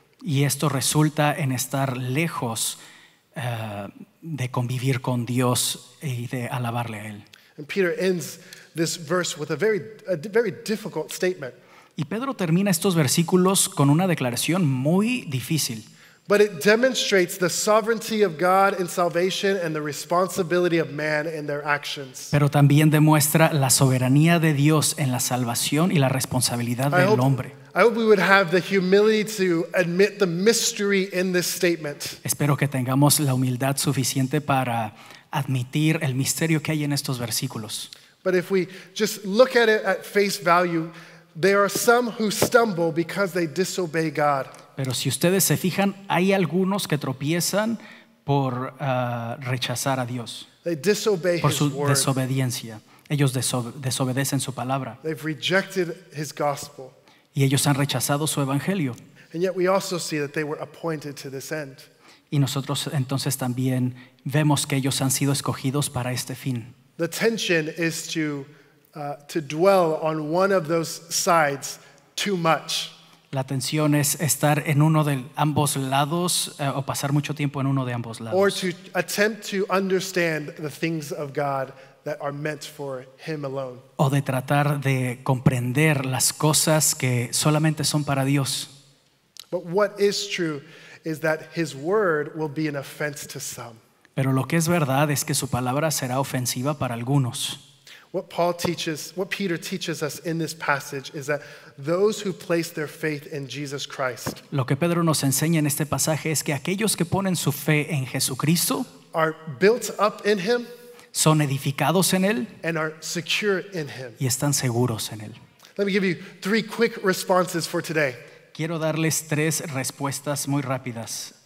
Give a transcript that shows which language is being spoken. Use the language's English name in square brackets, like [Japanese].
[Spanish] Y esto resulta en estar lejos de convivir con Dios y de alabarle a él. [English] And Peter ends this verse with a very difficult statement. [Spanish] Y Pedro termina estos versículos con una declaración muy difícil. [English] But it demonstrates the sovereignty of God in salvation and the responsibility of man in their actions. [Spanish] Pero también demuestra la soberanía de Dios en la salvación y la responsabilidad del hombre. [English] I hope we would have the humility to admit the mystery in this statement. [Spanish] Espero que tengamos la humildad suficiente para admitir el misterio que hay en estos versículos. [English] But if we just look at it at face value, there are some who stumble because they disobey God. [Spanish] Pero si ustedes se fijan, hay algunos que tropiezan por rechazar a Dios. [English] They disobey [Spanish] por su [English] his word. [Spanish] Desobediencia. Ellos desobedecen su palabra. [English] They've rejected his gospel. [Spanish] Y ellos han rechazado su evangelio. [English] And yet we also see that they were appointed to this end. [Spanish] Y nosotros entonces también vemos que ellos han sido escogidos para este fin. [English] The tension is to dwell on one of those sides too much. [Spanish] La tensión es estar en uno de ambos lados o pasar mucho tiempo en uno de ambos lados. [English] Or to attempt to understand the things of God that are meant for him alone. [Spanish] O de tratar de comprender las cosas que solamente son para Dios. [English] But what is true is that his word will be an offense to some. [Spanish] Pero lo que es verdad es que su palabra será ofensiva para algunos. [English] What Paul teaches, what Peter teaches us in this passage is that those who place their faith in Jesus Christ, [Spanish] lo que Pedro nos enseña en este pasaje es que aquellos que ponen su fe en Jesucristo [English] are built up in him, [Spanish] son edificados en él, [English] and are secure in him, [Spanish] y están seguros en él. [English] Let me give you three quick responses for today. [Spanish] Quiero darles tres respuestas muy rápidas.